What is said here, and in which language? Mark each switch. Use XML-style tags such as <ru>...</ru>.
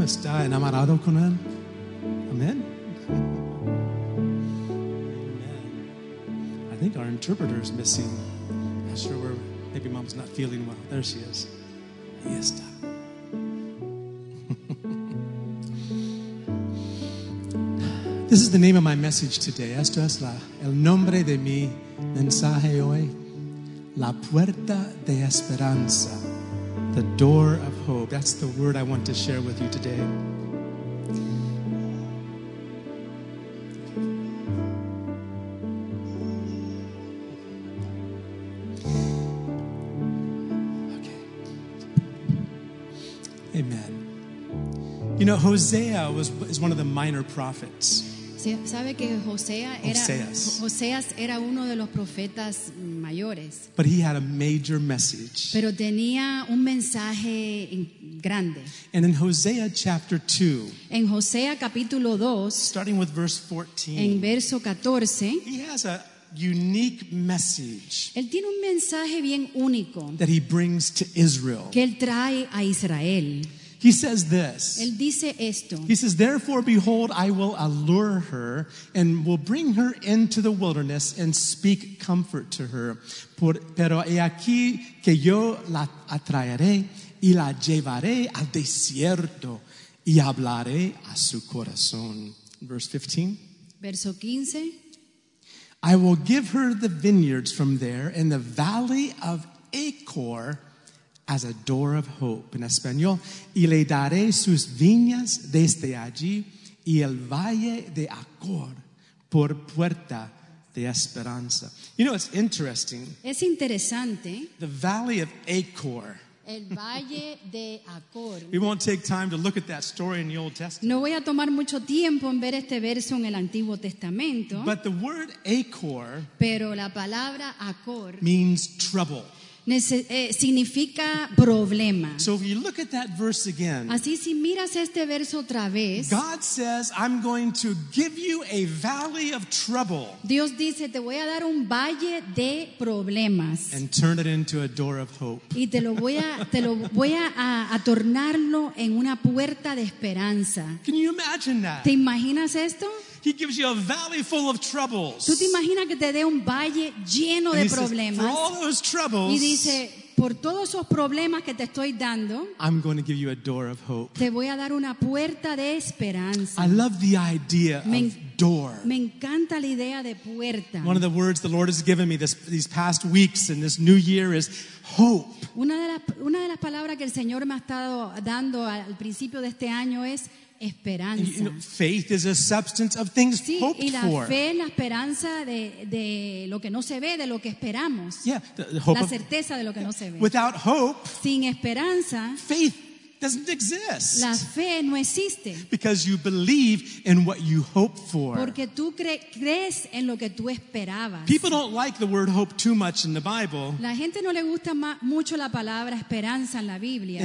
<es>¿Está enamorado con él? Amen. Amen.</es> <en>I think our interpreter is missing. I'm sure we're, maybe mom's not feeling well. There she is.</en> <es>Ahí está.</es> <en>This is the name of my message today.</en> <es>Esto es el nombre de mi mensaje hoy. La puerta de esperanza.</es> <en>The door of hope. That's the word I want to share with you today. Okay. Amen. You know, Hosea is one of the minor prophets.</en> <es>Sabe que Hoseas era uno de los profetas mayores.</es> <en>But he had a major message.</en> <es>Pero tenía un mensaje grande.</es> <en>And in Hosea chapter 2.</en> <es>En Hosea capítulo 2.</es> <en>Starting with verse 14.</en> <es>En verso 14.</es> <en>He has a unique message.</en> <es>Él tiene un mensaje bien único.</es> <en>That he brings to Israel.</en> <es>Que él trae a Israel.</es> <en>He says this.</en> <es>Él dice esto.</es> <en>He says, therefore, behold, I will allure her and will bring her into the wilderness and speak comfort to her.</en> <es>Pero he aquí que yo la atraeré y la llevaré al desierto y hablaré a su corazón.</es> <en>Verse 15.</en> <es>Verso 15.</es> <en>I will give her the vineyards from there in the valley of Achor, as a door of hope,</en> <es>en español, y le daré sus viñas desde allí, y el valle de Achor por puerta de esperanza.</es> <en>You know, it's interesting.</en> <es>Es interesante.</es> <en>The valley of Achor.</en> <es>El valle de Achor.</es> <en>We won't take time to look at that story in the Old Testament.</en> <es>No voy a tomar mucho tiempo en ver este verso en el Antiguo Testamento.</es> <en>But the word Achor.</en> <es>Pero la palabra Achor.</es> <en>Means trouble.</en> <es>Significa problema.</es> <en>So if you look at that verse again,</en> <es>así si miras este verso otra vez,</es> <en>God says, I'm going to give you a valley of trouble.</en> <es>Dios dice, te voy a dar un valle de problemas.</es> <en>And turn it into a door of hope.</en> <es>Y te lo voy a tornarlo en una puerta de esperanza.</es> <en>Can you imagine that?</en> <es>¿Te imaginas esto?</es> <en>He gives you a valley full of troubles.</en> <es>¿Tú te imaginas que te dé un valle lleno de problemas?</es> <en>For all those troubles,</en> <es>y dice, por todos esos problemas que te estoy dando,</es> <en>I'm going to give you a door of hope.</en> <es>Te voy a dar una puerta de esperanza.</es> <en>I love the idea of door.</en> <es>Me encanta la idea de puerta.</es> <en>One of the words the Lord has given me these past weeks in this new year is hope.</en> <es>Una de las palabras que el Señor me ha estado dando al principio de este año es esperanza.</es> <en>You know, faith is a substance of things</en> <es>sí,</es> <en>hoped</en> <es>y la</es> <en>for.</en> <es>Fe, la esperanza de lo que no se ve, de lo que esperamos.</es> <en>Yeah, the hope</en> <es>la certeza</es> <en>of,</en> <es>de lo que no se ve.</es> <en>Without hope,</en> <es>sin esperanza,</es> <en>faith doesn't exist.</en> <es>La fe no existe.</es> <en>Because you believe in what you hope for.</en> <es>Porque tú crees en lo que tú esperabas.</es> <en>People don't like the word hope too much in the Bible.</en> <es>La gente no le gusta mucho la palabra esperanza en la Biblia.</es>